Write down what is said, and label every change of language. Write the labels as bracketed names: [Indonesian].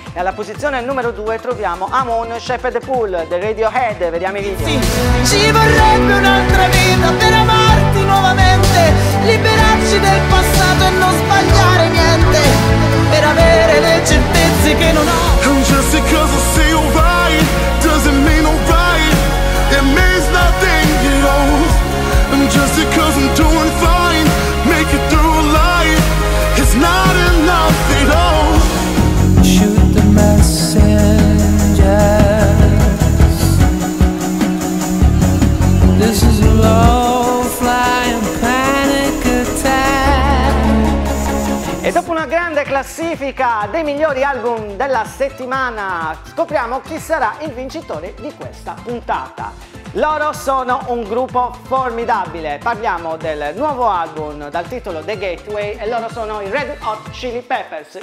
[Italian] E alla posizione numero 2 troviamo Amon, Shepherd Pool, The Radiohead. Vediamo i video. Sì, ci vorrebbe un'altra vita per amarti nuovamente, liberarci del passato e non sbagliare niente, per avere le certezze che non ho. [English] Just because I say you're right, doesn't mean I'm right. It means nothing at all. And just because I'm doing fine, make it through life, it's not enough at all. Shoot the messengers. This is a low flying panic attack. [Italian] E dopo una grande classifica dei migliori album della settimana, scopriamo chi sarà il vincitore di questa puntata. Loro sono un gruppo formidabile, parliamo del nuovo album dal titolo The Gateway e loro sono i Red Hot Chili Peppers.